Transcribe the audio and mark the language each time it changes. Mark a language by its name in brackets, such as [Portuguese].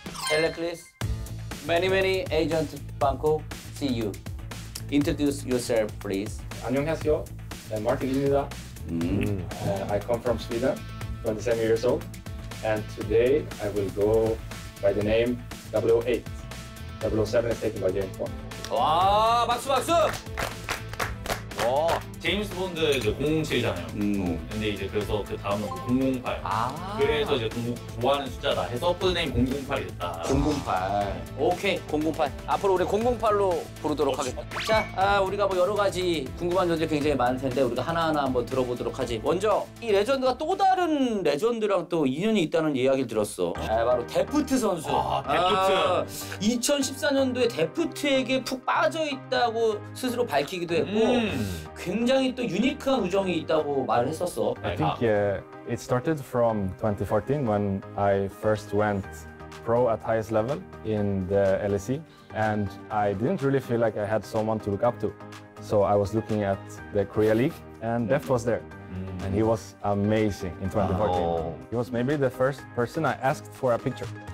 [English] 헬레클리스, many many agent Bangkok, see you. Introduce yourself, please. [Korean] 안녕하세요, 네, 마틴입니다. [English] I come from Sweden, 27 years old, and today I will go by the name 008. 007 is taken by James Bond. [Korean] 와, 박수, 박수! 와, 제임스 본드 이제 007이잖아요. 근데 이제 그래서 그 다음 넘버 008. 아~ 그래서 이제 좋아하는 숫자다 해서 코드네임 008이 됐다. 008. 오케이, 008. 앞으로 우리 008로 부르도록 하겠다. 자, 아, 우리가 뭐 여러 가지 궁금한 점들 굉장히 많을 텐데 우리가 하나하나 한번 들어보도록 하지. 먼저 이 레전드가 또 다른 레전드랑 또 인연이 있다는 이야기를 들었어. 아, 바로 데프트 선수. 아, 데프트. 아, 2014년도에 데프트에게 푹 빠져있다고 스스로 밝히기도 했고 굉장히 또 유니크한 우정이 있다고 말을 했었어. [English] I think it started from 2014 when I first went pro at highest level in the LEC, and I didn't really feel like I had someone to look up to. So I was looking at the Korea League, and Def was there. And he was amazing in 2014. Oh. He was maybe the first person I asked for a picture.